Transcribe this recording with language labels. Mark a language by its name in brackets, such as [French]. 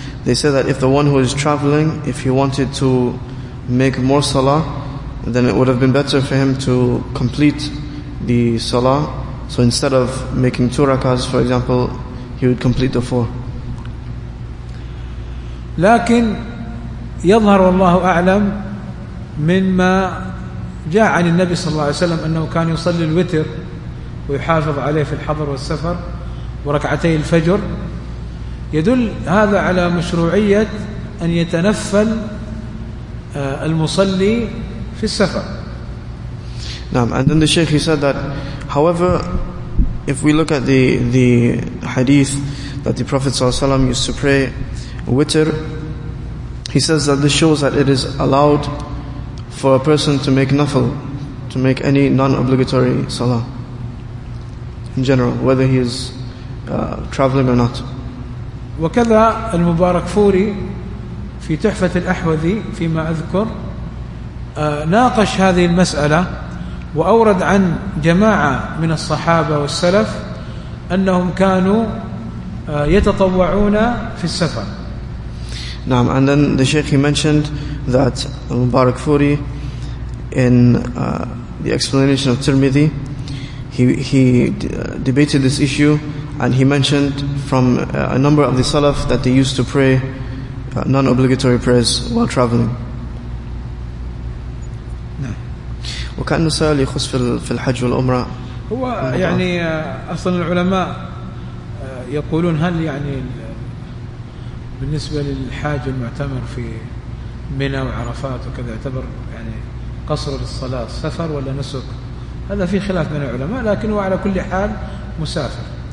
[English] They say that if the one who is traveling, if he wanted to make more salah, then it would have been better for him to complete the salah. So instead of making two rakahs, for example, he would complete the four. [Arabic] لكن يظهر والله أعلم مما جاء عن النبي صلى الله عليه وسلم أنه كان يصلي الوتر ويحافظ عليه في الحضر والسفر وركعتي الفجر، يدل هذا على مشروعية أن يتنفل المصلي في السفر. نعم. [English] And then the Sheikh, he said that however, if we look at the hadith that the Prophet ﷺ used to pray witr, he says that this shows that it is allowed for a person to make nafil, to make any non-obligatory salah in general, whether he is traveling or not. [Arabic] وكذا المبارك فوري في تحفة الأحوذي فيما أذكر ناقش هذه المسألة وأورد عن جماعة من الصحابة والسلف أنهم كانوا يتطوعون في السفر. نعم. [English] And then the Sheikh, he mentioned that Mubarak Furi in the explanation of Tirmidhi, he debated this issue, and he mentioned from a number of the Salaf that they used to pray non-obligatory prayers while traveling. [Arabic] وكان السؤال يخص في الحج والعمرة. هو يعني أصلا العلماء يقولون هل يعني بالنسبة للحاج المعتمر في منى وعرفات وكذا يعتبر يعني قصر للصلاة سفر ولا نسك؟ هذا في خلاف بين العلماء، لكن هو على كل حال مسافر.